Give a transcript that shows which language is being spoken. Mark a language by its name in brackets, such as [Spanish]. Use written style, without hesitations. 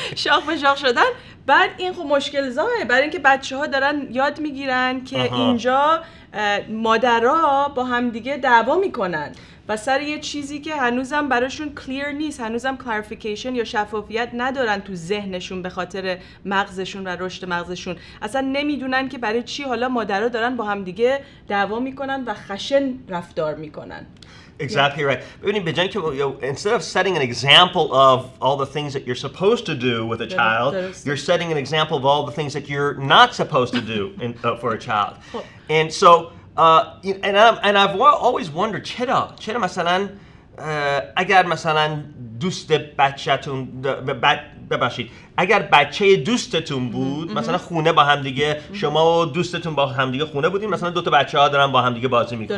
[Persian] شاخ به شاخ شدن، بعد این خب مشکل زاه، برای اینکه بچه‌ها دارن یاد میگیرن که اینجا مادرها با هم دیگه دعوا میکنن و سر یه چیزی که هنوزم براشون کلیر نیست، هنوزم کلاریفیکیشن یا شفافیت ندارن تو ذهنشون به خاطر مغزشون و رشد مغزشون، اصلا نمیدونن که برای چی حالا مادرها دارن با هم دیگه دعوا میکنن و خشن رفتار میکنن. [English] Exactly. Yeah. Right. [Persian] ببینید به جای اینکه [English] instead of setting an example of all the things that you're supposed to do with a child, you're setting an example of all the things that you're not supposed to do in, for a child. And so I've always wondered [Persian] چرا مثلا اگر مثلا دوست بچه‌تون ببخشید اگر بچه دوستتون بود مثلا خونه با هم دیگه شما و دوستتون با هم دیگه خونه بودین مثلا دو تا بچه‌ها دارن با هم دیگه بازی میکنن،